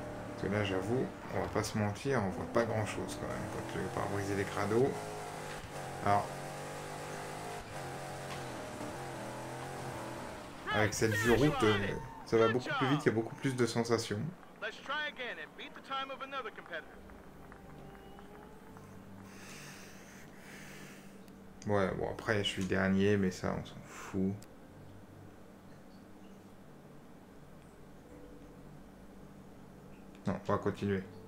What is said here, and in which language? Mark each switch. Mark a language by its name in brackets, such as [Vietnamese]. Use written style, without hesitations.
[French] Parce que là, j'avoue, on va pas se mentir, on voit pas grand chose quand même. Quand tu veux pas briser les crados. Alors. Avec cette vue route, ça va beaucoup plus vite, il y a beaucoup plus de sensations. [English] Let's try again and beat the time of another competitor. [French] Ouais, bon après je suis dernier, mais ça on s'en fout. Non, on va continuer.